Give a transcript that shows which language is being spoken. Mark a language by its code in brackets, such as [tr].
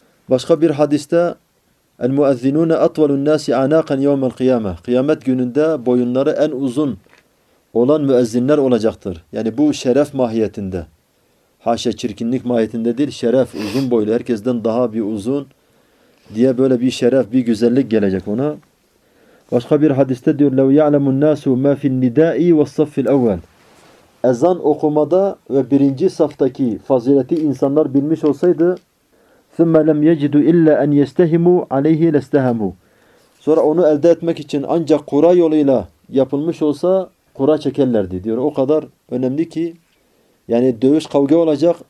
[tr] Başka bir hadiste [ar] El-Mu'ezzinûne atvalun nâsi anâkan yevmel kıyâme. [tr] Kıyamet gününde boyunları en uzun olan müezzinler olacaktır. Yani bu şeref mahiyetinde. Haşa çirkinlik mahiyetinde değil. Şeref, uzun boylu. Herkesten daha bir uzun diye böyle bir şeref, bir güzellik gelecek ona. Başka bir hadiste diyor [ar] لَوْ يَعْلَمُ النَّاسُ مَا فِي النِّدَاءِ وَالصَّفِّ الْاَوَّلِ. [tr] Ezan okumada ve birinci saftaki fazileti insanlar bilmiş olsaydı [ar] ثُمَّ لَمْ يَجِدُ اِلَّا اَنْ يَسْتَهِمُوا عَلَيْهِ لَسْتَهَمُوا. [tr] Sonra onu elde etmek için ancak kura yoluyla yapılmış olsa kura çekerlerdi diyor. O kadar önemli ki yani dövüş kavga olacak.